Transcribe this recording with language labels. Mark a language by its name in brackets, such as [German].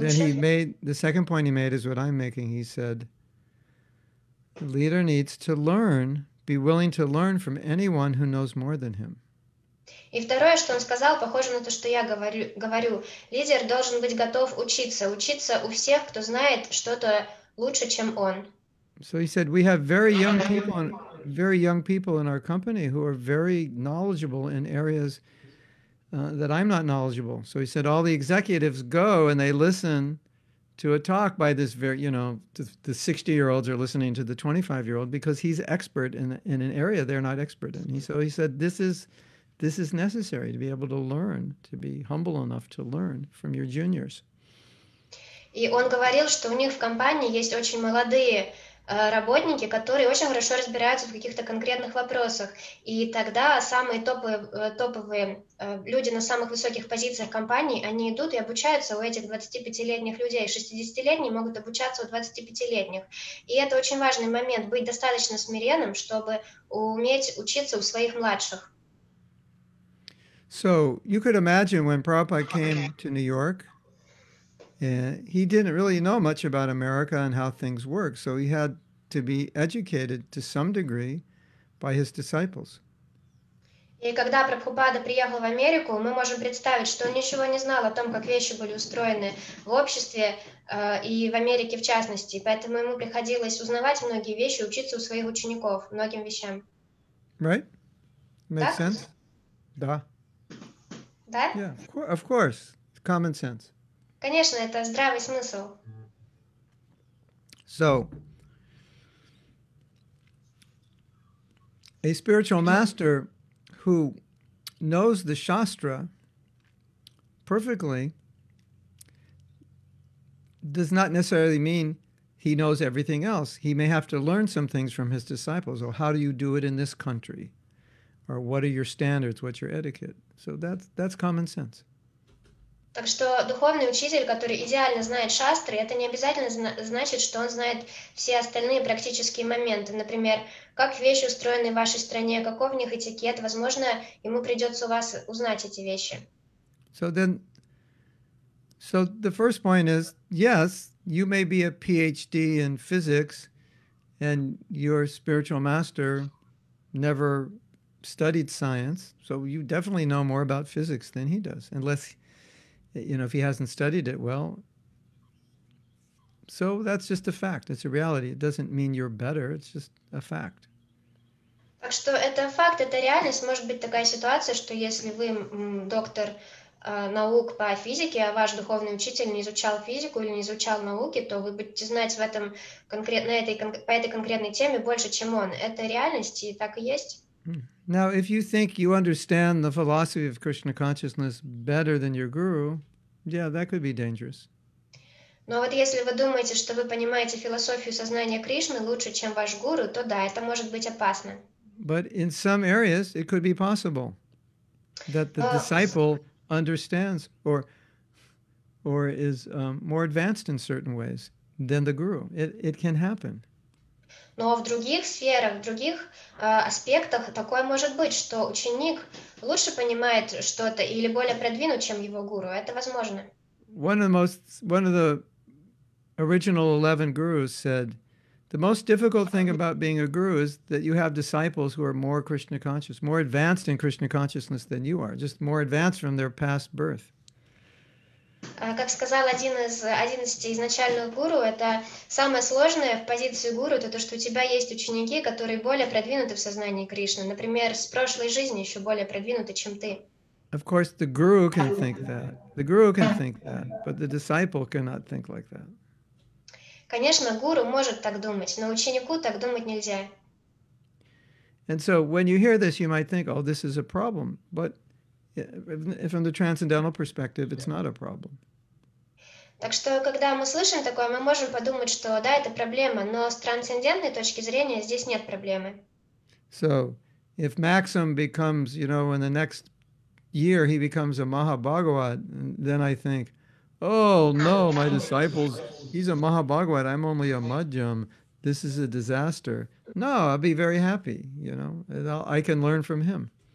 [English] And then the second point he made is what I'm making. He said, the leader needs to learn, be willing to learn from anyone who knows more than him. [Russian] И второе, что он сказал, похоже на то, что я говорю. Лидер должен быть готов учиться у всех, кто знает что-то лучше, чем он. [English] So he said, we have very young people in our company who are very knowledgeable in areas that I'm not knowledgeable. So he said, all the executives go and they listen to a talk by this very, you know, the 60-year-olds are listening to the 25-year-old because he's expert in an area they're not expert in. So he said, this is necessary to be able to learn, to be humble enough to learn from your juniors. [Russian] И он говорил, что у них в компании есть очень молодые работники, которые очень хорошо разбираются в каких-то конкретных вопросах. И тогда самые топовые люди на самых высоких позициях компании, они идут и обучаются у этих 25-летних людей. 60-летние могут обучаться у 25-летних. И это очень важный момент, быть достаточно смиренным, чтобы уметь учиться у своих младших. [English] So, you could imagine when Prabhupada came to New York, and he didn't really know much about America and how things work, so he had to be educated to some degree by his disciples. [Russian] И когда Прабхупада приехал в Америку, мы можем представить, что он ничего не знал о том, как вещи были устроены в обществе и в Америке в частности, поэтому ему приходилось узнавать многие вещи, учиться у своих учеников многим вещам. [English] Right? Makes sense? [Russian] Да. Да? [English] Yeah, of course. It's common sense. [Russian] Конечно, это здравый смысл. [English] So, a spiritual master who knows the shastra perfectly does not necessarily mean he knows everything else. He may have to learn some things from his disciples. Or how do you do it in this country? Or what are your standards? What's your etiquette? So that's common sense. [Russian] Так что духовный учитель, который идеально знает шастры, это не обязательно значит, что он знает все остальные практические моменты. Например, как вещи устроены в вашей стране, каков в них этикет. Возможно, ему придется у вас узнать эти вещи. [English] So the first point is, yes, you may be a PhD in physics, and your spiritual master never studied science, so you definitely know more about physics than he does, unless, you know, if he hasn't studied it well. So that's just a fact. It's a reality. It doesn't mean you're better. It's just a fact. [Russian] Так что это факт, это реальность. Может быть такая ситуация, что если вы доктор наук по физике, а ваш духовный учитель не изучал физику или не изучал науки, то вы будете знать в этом конкретно по этой конкретной теме больше, чем он. Это реальность, и так и есть. [English] Now, if you think you understand the philosophy of Krishna consciousness better than your guru, yeah, that could be dangerous. [Russian] Но вот если вы думаете, что вы понимаете философию сознания Кришны лучше, чем ваш гуру, то да, это может быть опасно. [English] But in some areas, it could be possible that the disciple understands or is more advanced in certain ways than the guru. It can happen. [Russian] Но в других сферах, в других аспектах такое может быть, что ученик лучше понимает что-то или более продвинут, чем его гуру. Это возможно. [English] One of the original 11 gurus said, the most difficult thing about being a guru is that you have disciples who are more Krishna conscious, more advanced in Krishna consciousness than you are, just more advanced from their past birth. [Russian] Как сказал один из 11 изначальных гуру, это самое сложное в позиции гуру, то, что у тебя есть ученики, которые более продвинуты в сознании Кришны. Например, с прошлой жизни еще более продвинуты, чем ты. [English] Of course, the guru can think that. The guru can think that, but the disciple cannot think like that. [Russian] Конечно, гуру может так думать, но ученику так думать нельзя. [English] And so when you hear this, you might think, oh, this is a problem, but from the transcendental perspective, it's not a problem. [Russian] Так что, когда мы слышим такое, мы можем подумать, что да, это проблема, но с трансцендентной точки зрения здесь нет проблемы. [English] So, if Maxim becomes, you know, in the next year he becomes a Mahabhagavat, then I think, oh no, my disciples, he's a Mahabhagavat, I'm only a Madhyam, this is a disaster. No, I'll be very happy, you know, I can learn from him.